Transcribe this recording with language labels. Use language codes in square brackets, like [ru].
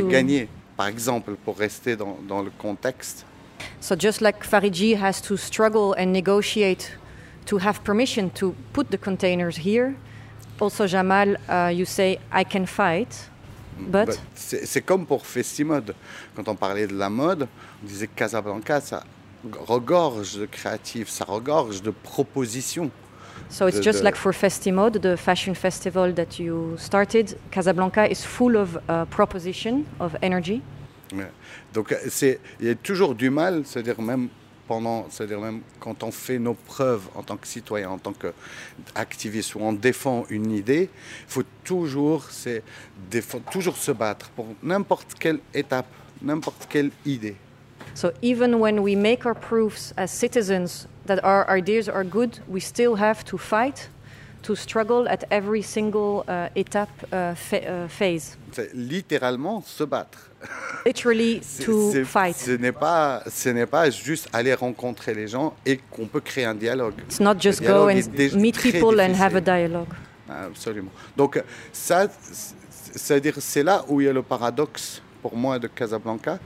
[en] to... [fr] gagné, par exemple, pour rester dans le contexte. [en] So just like Farigi has to struggle and negotiate to have permission to put the containers here, also Jamal, you say, I can fight, but... [fr] C'est comme pour Festimode. Quand on parlait de la mode, on disait Casablanca, ça regorge de créatifs, ça regorge de propositions. [en] So it's just like for Festimode, the fashion festival that you started, Casablanca is full of proposition, of energy. [fr] Ouais. Donc il y a toujours du mal, c'est-à-dire même quand on fait nos preuves en tant que citoyen, en tant qu'activiste, où on défend une idée, il faut toujours se battre pour n'importe quelle étape, n'importe quelle idée. [en] So even when we make our proofs as citizens that our ideas are good, we still have to fight, to struggle at every single étape, phase. [fr] C'est littéralement se battre. [en] Literally fight. [fr] Ce n'est pas juste aller rencontrer les gens et qu'on peut créer un dialogue. [en] It's not just go and meet people [fr] difficile. [en] And have a dialogue. [fr] Absolument. Donc ça, c'est-à-dire c'est là où il y a le paradoxe pour moi de Casablanca.